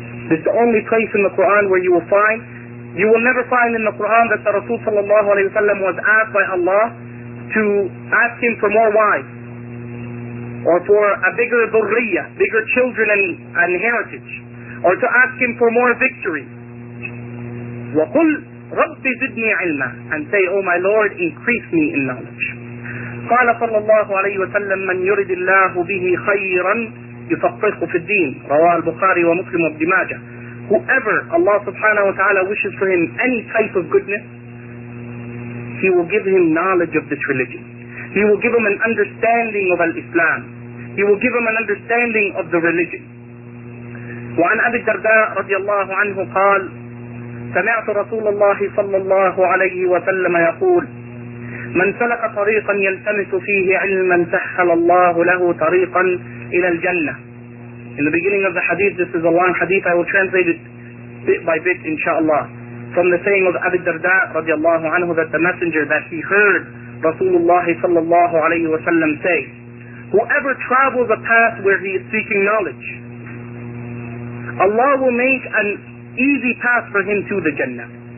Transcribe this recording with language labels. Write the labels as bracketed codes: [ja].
[en] This is the only place in the Quran where you will find, you will never find in the Quran that the Rasul sallallahu alayhi wa sallam was asked by Allah to ask him for more wives, or for a bigger dhurriya, bigger children and heritage, or to ask him for more victory. [ar] وَقُلْ رَبِّ زِدْنِي عِلْمًا, [en] and say, oh my Lord, increase me in knowledge. [ar] قال صلى الله عليه وسلم من يرد الله به خيرا يفقهه في الدين, رواه البخاري ومسلم وابن ماجه. [en] Whoever Allah subhanahu wa ta'ala wishes for him any type of goodness, he will give him knowledge of this religion. He will give him an understanding of al-Islam. He will give him an understanding of the religion. [ar] وعن أبي الدرداء رضي الله عنه قال سمعت رسول الله صلى الله عليه وسلم يقول من سلك طريقا يلتمس فيه علما سهل الله له طريقا إلى الجنة. [en] In the beginning of the hadith, this is a long hadith, I will translate it bit by bit, inshaAllah. From the saying of Abu Darda radiallahu anhu, that the messenger, that he heard Rasulullah sallallahu alayhi wa sallam say, whoever travels a path where he is seeking knowledge, Allah will make an easy path for him to the Jannah.